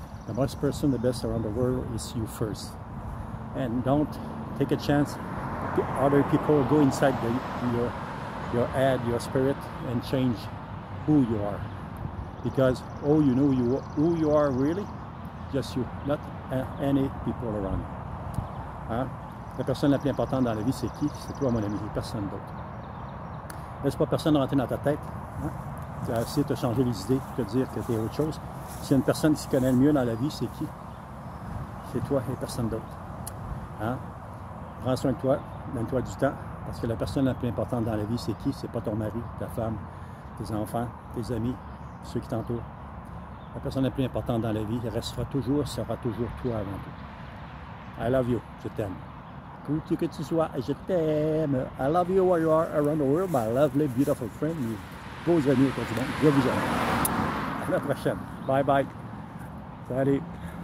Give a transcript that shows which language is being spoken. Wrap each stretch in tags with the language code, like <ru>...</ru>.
<en>The best person, the best around the world is you first. And don't take a chance. Other people go inside your head, your spirit, and change who you are. Because all you know who you are really, just you, not any people around you. Hein?</en> <fr>La personne la plus importante dans la vie, c'est qui? C'est toi, mon ami, personne d'autre. Laisse pas personne rentrer dans ta tête. Hein? Tu as essayé de te changer les idées, de te dire que tu es autre chose. S'il y a une personne qui se connaît le mieux dans la vie, c'est qui? C'est toi et personne d'autre. Hein? Prends soin de toi, donne-toi du temps. Parce que la personne la plus importante dans la vie, c'est qui? C'est pas ton mari, ta femme, tes enfants, tes amis, ceux qui t'entourent. La personne la plus importante dans la vie restera toujours, sera toujours toi avant tout. I love you. Je t'aime. Où que tu sois, je t'aime.</fr> <en>I love you where you are around the world, my lovely, beautiful friend.</en> <fr>Mes beaux amis autour du monde. Je vous aime. À la prochaine. Bye bye. Salut.</fr>